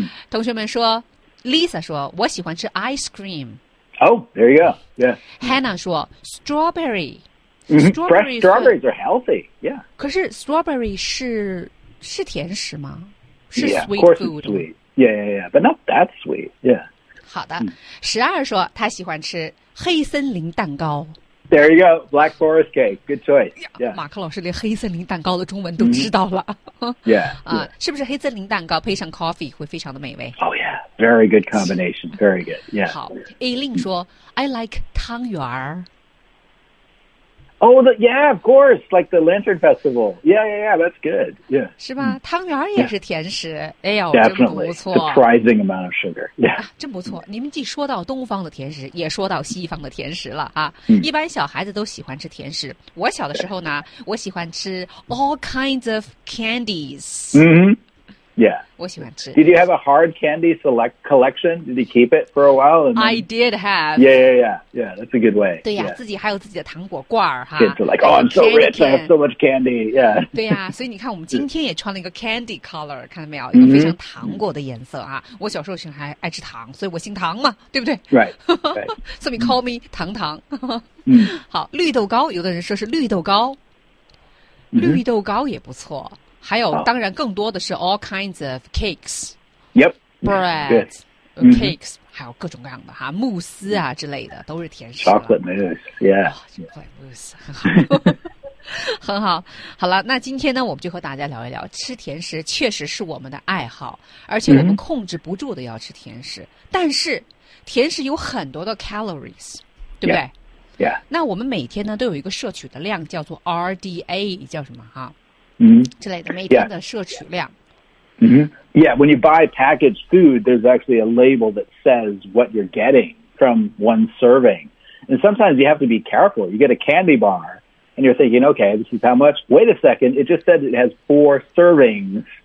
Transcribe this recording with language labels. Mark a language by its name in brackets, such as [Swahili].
[Chinese] 同学们说， Lisa 说我喜欢吃 ice cream. [English] Oh, there you go. Yeah. [Chinese] Hannah 说 strawberry. [English] Fresh strawberries are healthy, yeah. [Chinese] 可是 strawberry 是甜食吗？是 [English] sweet Yeah, of course it's sweet. Yeah, yeah, yeah. But not that sweet, yeah. [Chinese] 好的。十二说他喜欢吃黑森林蛋糕。 [English] There you go, black forest cake, good choice. Yeah. [Chinese] 马克老师连黑森林蛋糕的中文都知道了。 [English] Yeah. [Chinese] 是不是黑森林蛋糕配上 coffee 会非常的美味？ [English] Oh yeah, very good combination, very good, yeah. [Chinese] 好。Aileen说 [English] I like [Chinese] 汤圆儿。 [English] Oh, yeah, of course, like the Lantern Festival. Yeah, yeah, yeah, that's good, yeah. [Chinese] 是吧？汤圆也是甜食。哎呦，真不错。 [English] Definitely, surprising amount of sugar, yeah. [Chinese] 真不错，你们既说到东方的甜食，也说到西方的甜食了啊。一般小孩子都喜欢吃甜食。我小的时候呢，我喜欢吃 [English] all kinds of candies. Yeah. [Chinese] 我喜欢吃。 [English] Did you have a hard candy select collection? Did you keep it for a while? And then... I did have. Yeah, yeah, yeah. Yeah, that's a good way. [Chinese] 对呀、 [English] yeah. [Chinese] 自己还有自己的糖果罐儿哈。 [English] Kids are like, oh, I'm so rich. I have so much candy. Yeah. [Chinese] 对呀，所以你看我们今天也穿了一个 candy color, 看到没有？一个非常糖果的颜色啊。我小时候喜欢爱吃糖，所以我姓糖嘛，对不对？ [English] Right. Right. So you call me 糖糖。 [Chinese] 好，绿豆糕，有的人说是绿豆糕。绿豆糕也不错。还有、oh. 当然更多的是 [English] all kinds of cakes. Yep. Bread. Cakes. [Chinese] 还有各种各样的哈，慕斯啊之类的都是甜食。 [English] Chocolate mousse. Yeah. Chocolate mousse. [Chinese] 很好。很好，好了，那今天呢，我们就和大家聊一聊吃甜食，确实是我们的爱好，而且我们控制不住的要吃甜食。但是，甜食有很多的 calories， 对不对？ [English] Yeah. [Chinese] 那我们每天呢都有一个摄取的量，叫做 RDA， 叫什么哈？之类的，每天的摄取量。 [English] When you buy packaged food, there's actually a label that says what you're getting from one serving, and sometimes you have to be careful. You get a candy bar. And you're thinking, okay, this is how much? Wait a second, it just said it has 4 servings.